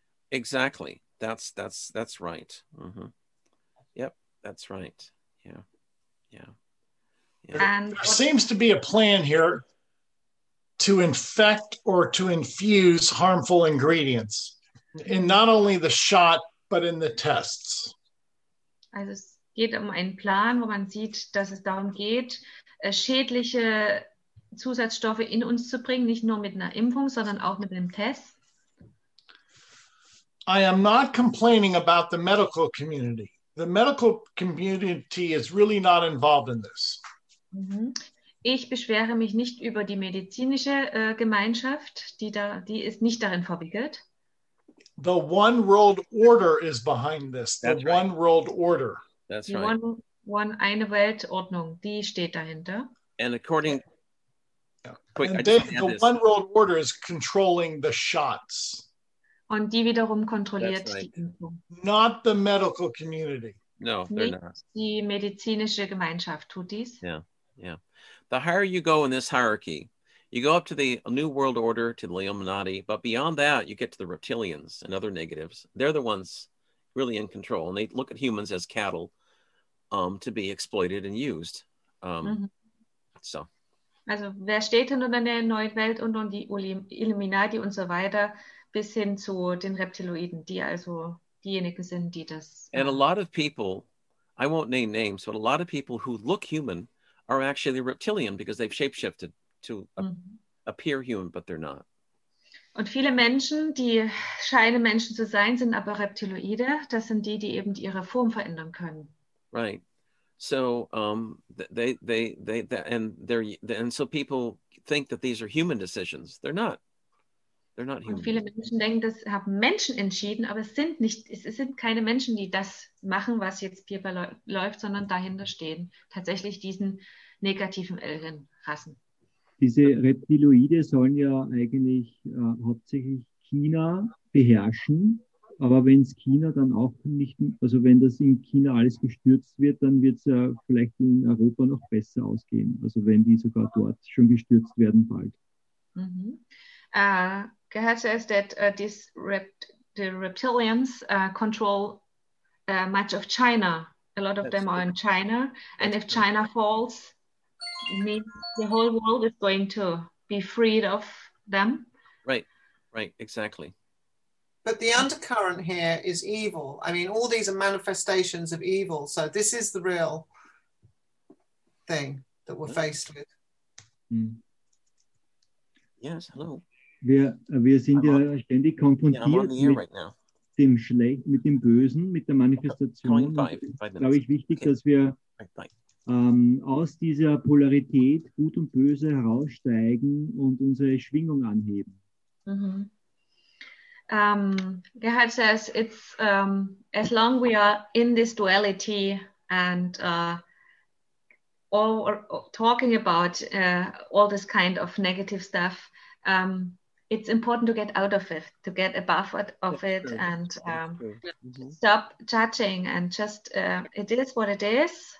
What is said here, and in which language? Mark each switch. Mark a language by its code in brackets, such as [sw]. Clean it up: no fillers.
[en] Exactly. That's right. Mm-hmm. Yep, that's right. Yeah, yeah. There seems to be a plan here to infect or to infuse harmful ingredients in not only the shot, but in the tests. [de] Also es geht um einen Plan, wo man sieht, dass es darum geht, schädliche Zusatzstoffe in uns zu bringen, nicht nur mit einer Impfung, sondern auch mit einem Test. [en] I am not complaining about the medical community. The medical community is really not involved in this. [de] Ich beschwere mich nicht über die medizinische Gemeinschaft, die ist nicht darin verwickelt. [en] The One World Order is behind this. One World Order. That's right. [de] Eine Weltordnung, die steht dahinter. [en] And according The One World Order is controlling the shots. [de] Und die wiederum kontrolliert die Impfung. [en] Not the medical community. No, they're not. [de] Die medizinische Gemeinschaft tut dies. [en] Yeah, yeah. The higher you go in this hierarchy, you go up to the New World Order, to the Illuminati, but beyond that, you get to the reptilians and other negatives. They're the ones really in control, and they look at humans as cattle to be exploited and used. So. [de] Also, wer steht denn unter der Neuen Welt und die Illuminati und so weiter? Bis hin zu den Reptiloiden, die also diejenigen sind, die das. [en] And a lot of people, I won't name names, but a lot of people who look human are actually reptilian because they've shapeshifted to appear human, but they're not. [de] Und viele Menschen, die scheinen Menschen zu sein, sind aber Reptiloide. Das sind die, die eben ihre Form verändern können. [en] Right. So so people think that these are human decisions. They're not. They're not human. [de] Und viele Menschen denken, das haben Menschen entschieden, aber es sind nicht, es sind keine Menschen, die das machen, was jetzt hierbei läuft, sondern dahinter stehen tatsächlich diesen negativen älteren Rassen. Diese Reptiloide sollen ja eigentlich hauptsächlich China beherrschen, aber wenn es China dann auch nicht, also wenn das in China alles gestürzt wird, dann wird es ja vielleicht in Europa noch besser ausgehen, also wenn die sogar dort schon gestürzt werden bald. Gehört es, [en] that the reptilians control much of China. A lot of that's them are in China. And if China falls, the whole world is going to be freed of them. Right, right, exactly. But the undercurrent here is evil. I mean, all these are manifestations of evil. So this is the real thing that we're faced with. Mm. Yes, hello. [de] Wir sind ja ständig konfrontiert dem Schlechten, mit dem Bösen, mit der Manifestation. Es ist, glaube ich, wichtig, dass wir aus dieser Polarität Gut und Böse heraussteigen und unsere Schwingung anheben. [en] Gerhard says, it's as long we are in this duality and talking about all this kind of negative stuff, it's important to get out of it, to get above it, and stop judging and just, it is what it is.